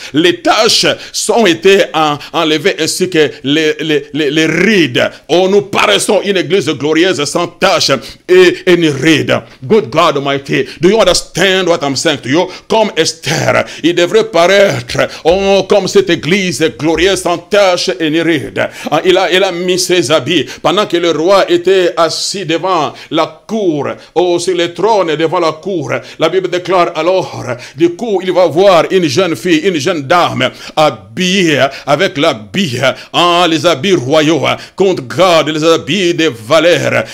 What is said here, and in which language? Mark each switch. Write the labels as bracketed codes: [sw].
[fr] Les taches sont été enlevées ainsi que les rides. Oh, nous paraissons une église glorieuse sans taches et une ride. [en] Good God Almighty, do you understand what I'm saying to you? [fr] Comme Esther, il devrait paraître comme cette église glorieuse sans taches et ni rides. Il a mis ses habits pendant que le roi était assis devant la cour, sur le trône devant la cour. La Bible déclare alors. Du coup, il va voir une jeune fille, une jeune dame, habillée avec l'habit, les habits royaux, contre garde, les habits de valeur.